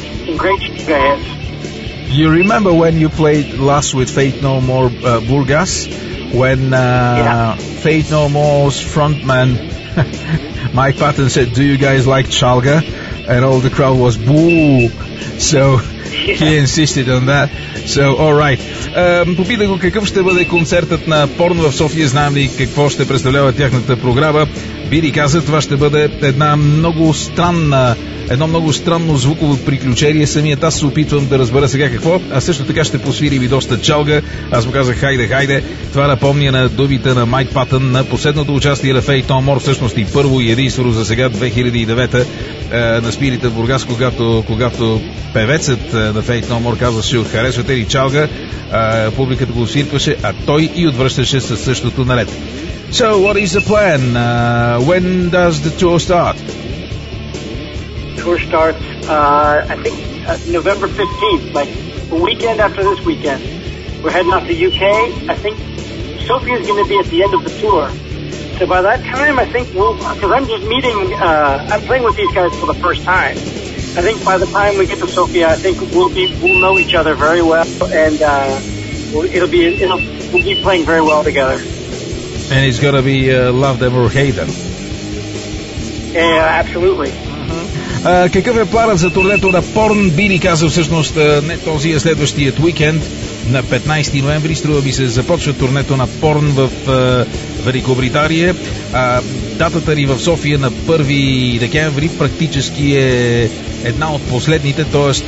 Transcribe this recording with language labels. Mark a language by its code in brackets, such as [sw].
[en] Some great chaga hits. You remember when you played last with Faith No More Burgas? When Faith No More's frontman Mike Patton said, "Do you guys like chaga?" And all the crowd was boo. So he insisted on that. So, all right. [bg] Попитах го какъв ще бъде концертът на Porn в София. Знаем ли какво ще представлява тяхната програма? Били каза, това ще бъде една много странна, едно много странно звуково приключение. Самият аз се опитвам да разбера сега какво. А също така ще посвирим и доста чалга. Аз му казах, хайде, хайде. Това напомня на думите на Майк Патън на последното участие на Faith No More, всъщност и първо и единствено за сега 2009-та на Спирите в Бургас, когато певецът на Faith No More казва, че харесвате ли чалга, публиката го свиркваше, а той и отвръщаше със същото наред. [en] So, what is the plan? When does the tour start? Tour starts, I think, November 15th, like a weekend after this weekend. We're heading out to UK. I think Sophie is going to be at the end of the tour. So by that time, I think we'll, because I'm just meeting, I'm playing with these guys for the first time. I think by the time we get to Sophie, I think we'll know each other very well, and we'll be playing very well together. And it's going to be Love Them or Hate Them. Yeah, absolutely. [bg] Какъв е планът за турнето на Porn? Били каза всъщност не този, а следващият уикенд на 15 ноември. Струва ми се започва турнето на Porn в Великобритания. Датата ни в София на 1 декември практически е една от последните. Т.е.